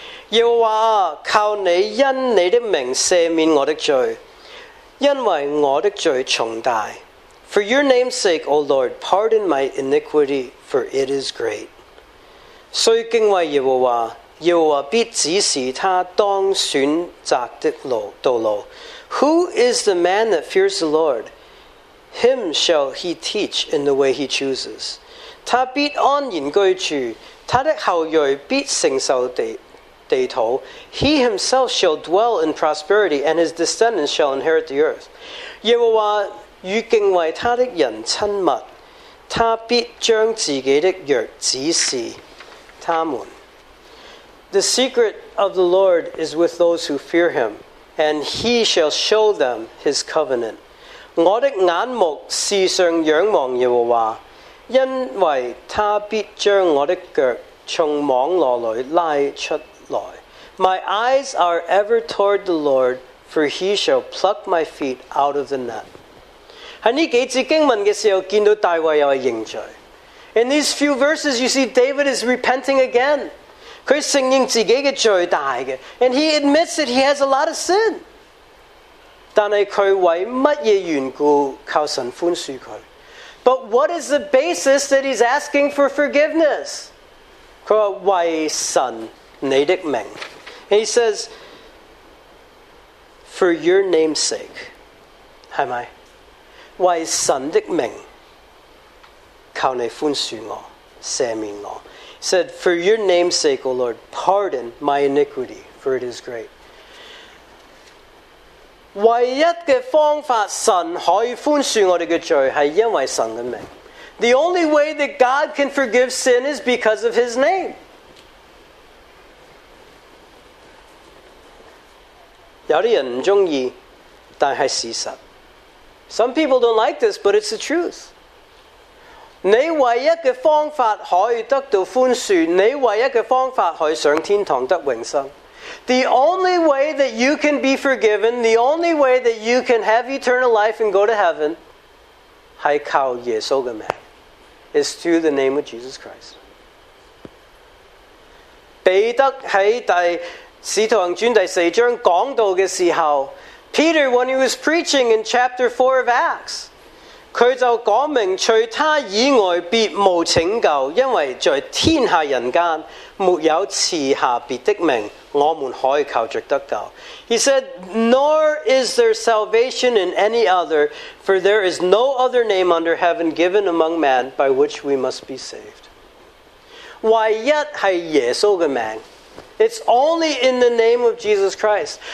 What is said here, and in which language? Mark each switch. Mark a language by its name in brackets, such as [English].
[Chinese] 耶和华靠你因你的名赦免我的罪，因为我的罪重大。 [English] For your name's sake, O Lord, pardon my iniquity, for it is great. [Chinese] 所以敬畏耶和华，耶和华必指示他当选择的道路。 [English] Who is the man that fears the Lord? Him shall he teach in the way he chooses. [Chinese] 他必安然居住，他的后裔必承受地。 [English] He himself shall dwell in prosperity, and his descendants shall inherit the earth. [Chinese] 耶和华与敬畏他的人亲密，他必将自己的约指示他们。 [English] The secret of the Lord is with those who fear him, and he shall show them his covenant. [Chinese] 我的眼目时常仰望耶和华，因为他必将我的脚从网罗里拉出。 [English] My eyes are ever toward the Lord, for he shall pluck my feet out of the net. [Chinese] 在这几节经文的时候，见到大卫又是认罪。 [English] In these few verses, you see David is repenting again. [Chinese] 他承认自己的罪大的， [English] and he admits that he has a lot of sin. [Chinese] 但是他为什么缘故求神宽恕他？ [English] But what is the basis that he's asking for forgiveness? [Chinese] 他说为神你的名。 [English] He says, for your name's sake, [Chinese] 是吗？为神的名，求你宽恕我，赦免我。 [English] He said, for your name's sake, O Lord, pardon my iniquity, for it is great. [Chinese] 唯一的方法神可以宽恕我们的罪，是因为神的名。 [English] The only way that God can forgive sin is because of His name. [Chinese] 有些人不喜欢，但是事实。 [English] Some people don't like this, but it's the truth. [Chinese] 你唯一的方法可以得到宽恕，你唯一的方法可以上天堂得永生。 [English] The only way that you can be forgiven, the only way that you can have eternal life and go to heaven, [Chinese] 是靠耶稣的名。 [English] It's through the name of Jesus Christ. [Chinese] 彼得在第使徒行传第四章讲到的时候， [English] Peter, when he was preaching in chapter 4 of Acts, [Chinese] 他就讲明除他以外别无拯救，因为在天下人间没有赐下别的名我们可以靠着得救。 [English] He said, nor is there salvation in any other, for there is no other name under heaven given among men by which we must be saved. [Chinese] 唯一是耶稣的名。 [English] It's only in the name of Jesus Christ.